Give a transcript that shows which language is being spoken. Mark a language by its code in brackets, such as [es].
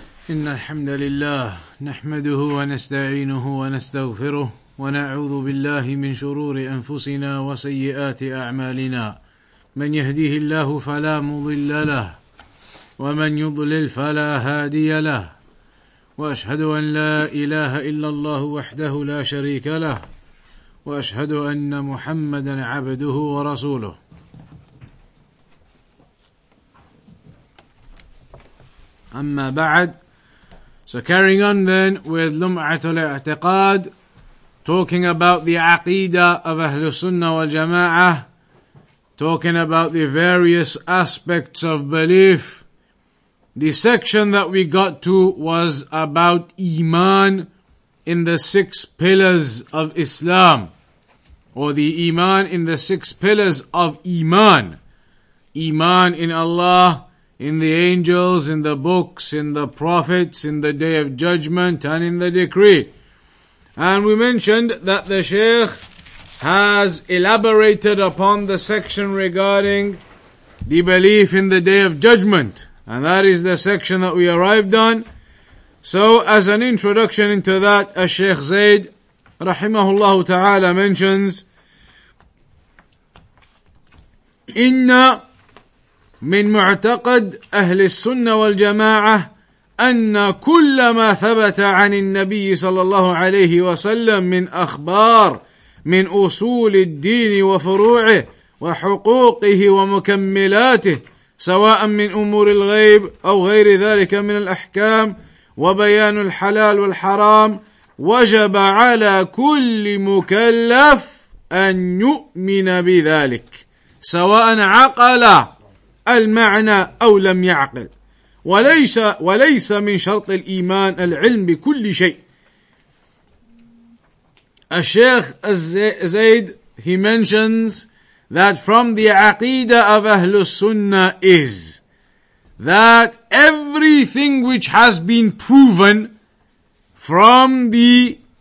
[ar] إن الحمد لله نحمده ونستعينه ونستغفره ونعوذ بالله من شرور أنفسنا وسيئات أعمالنا من يهديه الله فلا مضل له ومن يضلل فلا هادي له وأشهد أن لا إله إلا الله وحده لا شريك له وأشهد أن محمدا عبده ورسوله أما بعد. [en] So carrying on then with Lum'at al-I'tiqad, talking about the Aqeedah of Ahlul Sunnah wal Jama'ah, talking about the various aspects of belief. The section that we got to was about Iman in the six pillars of Islam, or the Iman in the six pillars of Iman. Iman in Allah, in the angels, in the books, in the prophets, in the day of judgment, and in the decree. And we mentioned that the Shaykh has elaborated upon the section regarding the belief in the day of judgment. And that is the section that we arrived on. So as an introduction into that, as Shaykh Zaid, rahimahullah ta'ala, mentions, [ar] inna من معتقد أهل السنة والجماعة أن كل ما ثبت عن النبي صلى الله عليه وسلم من أخبار من أصول الدين وفروعه وحقوقه ومكملاته سواء من أمور الغيب أو غير ذلك من الأحكام وبيان الحلال والحرام وجب على كل مكلف أن يؤمن بذلك سواء عقل المعنى أو لم يعقل وليس من شرط الإيمان العلم بكل شيء. [en] الشيخ زيد, he mentions that from the عقيدة of أهل السنة is that everything which has been proven from the